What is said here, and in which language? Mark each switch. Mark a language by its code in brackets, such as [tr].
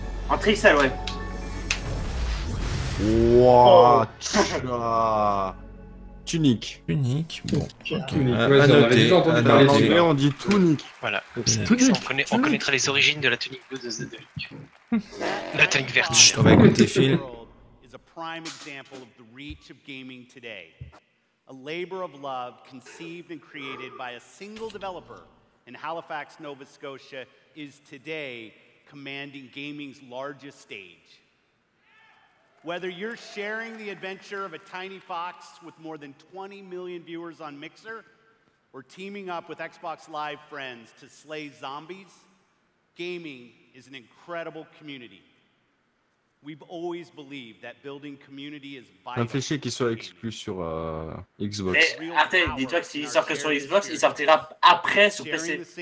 [fr] En Trixel, ouais. Wouah, tunique. Tunique, bon. Okay. Tunique. Ouais, à noter. En anglais, on dit tunique. Voilà. On connaîtra les origines de la tunique bleue de Zedric. La tunique verte. Chut, on va écouter Phil. [en] ...is a prime example of the reach of gaming today. A labor of love conceived and created by a single developer in Halifax, Nova Scotia, is today commanding gaming's largest stage. Whether you're sharing the adventure of a tiny fox with more than 20 million viewers on Mixer, or teaming up with Xbox Live friends to slay zombies, gaming is an incredible community. We've always believed that building community is vital. [fr] Un fichier qui soit exclu sur Xbox. Mais Arthur, dis-toi que s'il sort que sur Xbox, il sortira après sur PC.